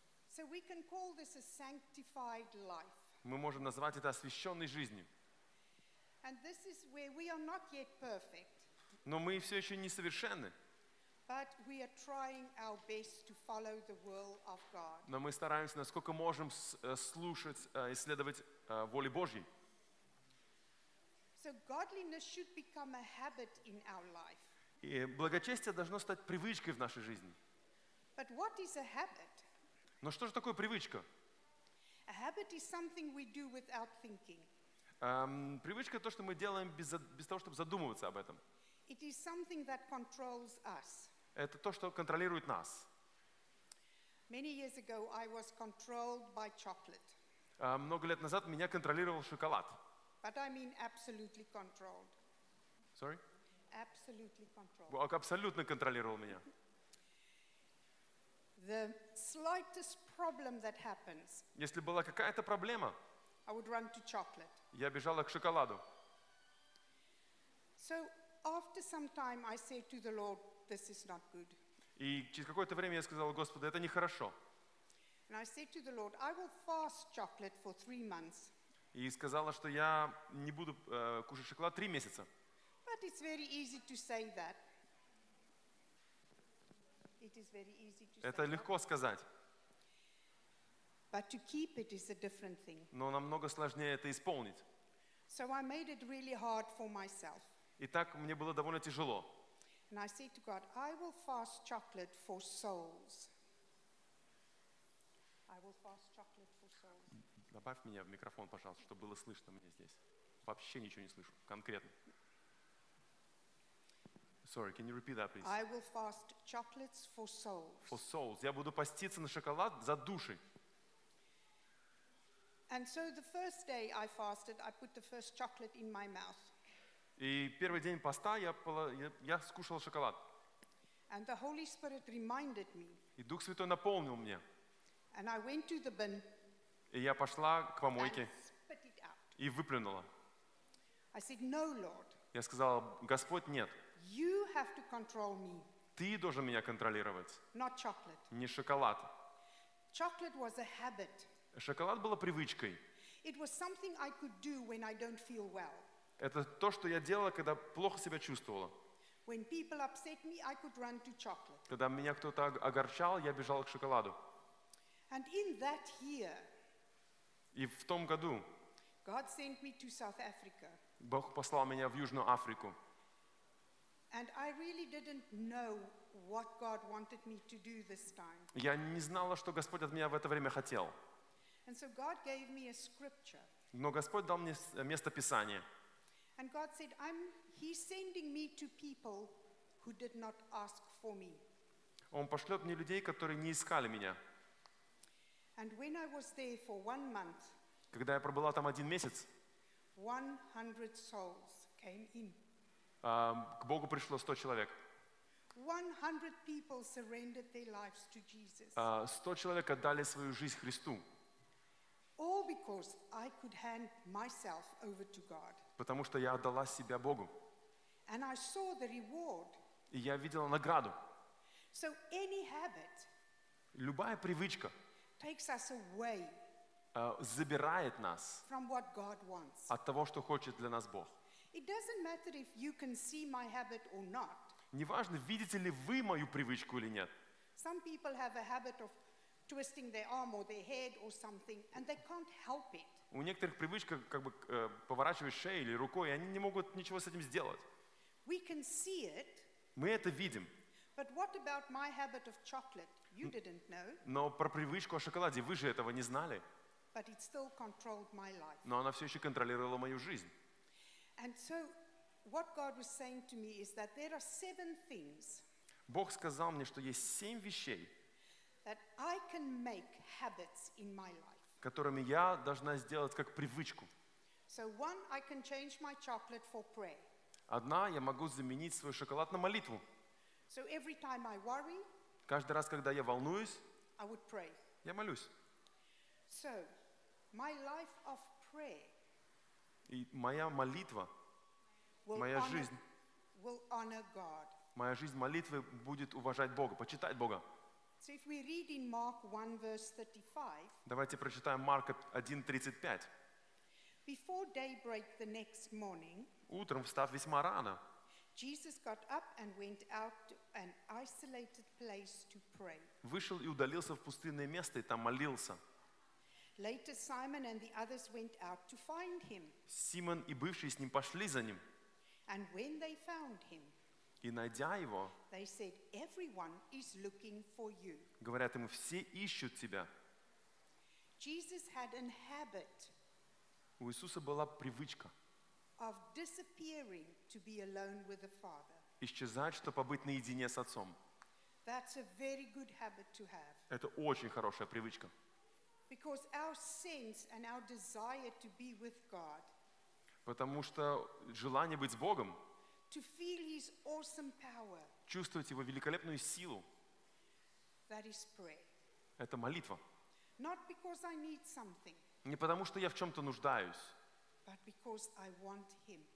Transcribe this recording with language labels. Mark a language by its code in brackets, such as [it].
[en] So we can call this a sanctified life. [ru] Мы можем назвать это освященной жизнью. [en] And this is where we are not yet perfect. [ru] Но мы все еще не совершенны. [en] But we are trying our best to follow the will of God. [ru] Но мы стараемся, насколько можем, слушать, исследовать воле Божьей. [en] So godliness should become a habit in our life. [ru] И благочестие должно стать привычкой в нашей жизни. [en] But what is a habit? [ru] Но что же такое привычка? [en] A habit is something we do without thinking. [ru] Привычка — то, что мы делаем без того, чтобы задумываться об этом. [en] It is something that controls us. [ru] Это то, что контролирует нас. [en] Many years ago I was controlled by chocolate. [ru] Много лет назад меня контролировал шоколад. [en] But I mean absolutely controlled. Sorry? Absolutely controlled. [ru] Абсолютно контролировал меня. [en] The slightest problem that happens. [ru] Если была какая-то проблема, [en] I would run to chocolate. [ru] Я бежала к шоколаду. [en] So after some time I said to the Lord, this is not good. [ru] И через какое-то время я сказал, Господи, это нехорошо. [en] And I said to the Lord, I will fast chocolate for 3 months. [ru] И сказала, что я не буду кушать шоколад 3 месяца. [en] But it's very easy to say that. It is very easy to say. [ru] Это легко сказать. [en] But to keep it is a different thing. [ru] Но намного сложнее это исполнить. [en] So I made it really hard for myself. [ru] И так мне было довольно тяжело. [en] And I said to God, I will fast chocolate for souls. I will fast chocolate for souls. [ru] Добавь меня в микрофон, пожалуйста, чтобы было слышно мне здесь. Вообще ничего не слышу, конкретно. [en] Sorry, can you repeat that, please? I will fast chocolates for souls. For souls. [ru] Я буду поститься на шоколад за души. [en] And so the first day I fasted, I put the first chocolate in my mouth. [ru] И первый день поста я скушал шоколад. [en] And the Holy Spirit reminded me. [ru] И Дух Святой напомнил мне. [en] And I went to the bin. [ru] И я пошла к помойке. [en] And spit it out. [ru] И выплюнула. [en] I said, no, Lord. [ru] Я сказал, Господь, нет. [en] You have to control me. [ru] Ты должен меня контролировать. [en] Not chocolate. [ru] Не шоколад. [en] Chocolate was a habit. [ru] Шоколад была привычкой. [en] It was something I could do when I don't feel well. [ru] Это то, что я делала, когда плохо себя чувствовала. [en] When people upset me, I could run to chocolate. [ru] Когда меня кто-то огорчал, я бежала к шоколаду. [en] And in that year, [ru] и в том году [en] God sent me to South Africa. [ru] Бог послал меня в Южную Африку. [en] And I really didn't know what God wanted me to do this time. [ru] Я не знала, что Господь от меня в это время хотел. [en] And so God gave me a scripture. [ru] Но Господь дал мне место Писания. [en] And God said, He's sending me to people who did not ask for me. [ru] Он пошлет мне людей, которые не искали меня. [en] And when I was there for 1 month, [ru] когда я пробыла там 1 месяц, [en] 100 souls came in. [ru] К Богу пришло 100 человек. [en] 100 people surrendered their lives to Jesus. [ru] 100 человек отдали свою жизнь Христу. [en] All because I could hand myself over to God. [ru] Потому что я отдала себя Богу. [en] And I saw the reward. [ru] И я видела награду. [en] So any habit, [ru] любая привычка, [en] takes us away, [ru] забирает нас [en] from what God wants. [ru] От того, что хочет для нас Бог. [en] It doesn't matter if you can see my habit or not. [ru] Неважно, видите ли вы мою привычку или нет. [en] Some people have a habit of twisting their arm or their head or something, and they can't help it. [ru] У некоторых привычка как бы поворачивать шею или рукой, и они не могут ничего с этим сделать. [en] We can see it. [ru] Мы это видим. [en] But what about my habit of chocolate? [ru] Но про привычку о шоколаде вы же этого не знали. [en] But it still controlled my life. [ru] Но она все еще контролировала мою жизнь. [en] And so, what God was saying to me is that there are seven things. [ru] Бог сказал мне, что есть семь вещей, [en] that I can make habits in my life. [ru] Которыми я должна сделать как привычку. [en] So one, I can change my chocolate for prayer. [ru] Одна, я могу заменить свой шоколад на молитву. [en] So every time I worry, [ru] каждый раз, когда я волнуюсь, [en] I would pray. [ru] Я молюсь. [en] So, my life of prayer. [ru] И моя молитва, моя жизнь, [en] will honor God. [ru] Моя жизнь молитвы будет уважать Бога, почитать Бога. [en] So if we read in Mark 1, verse 35, [ru] давайте прочитаем Марка 1:35. [en] Before daybreak the next morning, [ru] утром, встав весьма рано, [en] Jesus got up and went out to an isolated place to pray. [ru] Вышел и удалился в пустынное место и там молился. [en] Later, Simon and the others went out to find him. [ru] Симон и бывшие с ним пошли за ним. [en] And when they found him, [ru] и найдя его, [en] they said, "Everyone is looking for you." [ru] Говорят ему, все ищут тебя. [en] Jesus had an habit. [ru] У Иисуса была привычка. [en] Of disappearing to be alone with the Father. [ru] Исчезать, чтобы побыть наедине с Отцом. [en] That's a very good habit to have. [ru] Это очень хорошая привычка. [en] Because our sense and our desire to be with God. [ru] Потому что желание быть с Богом. [en] To feel His awesome power. [ru] Чувствовать Его великолепную силу. [en] That is prayer. [ru] Это молитва. [en] Not because I need something. [ru] Не потому что я в чем-то нуждаюсь. [en] But because I want Him.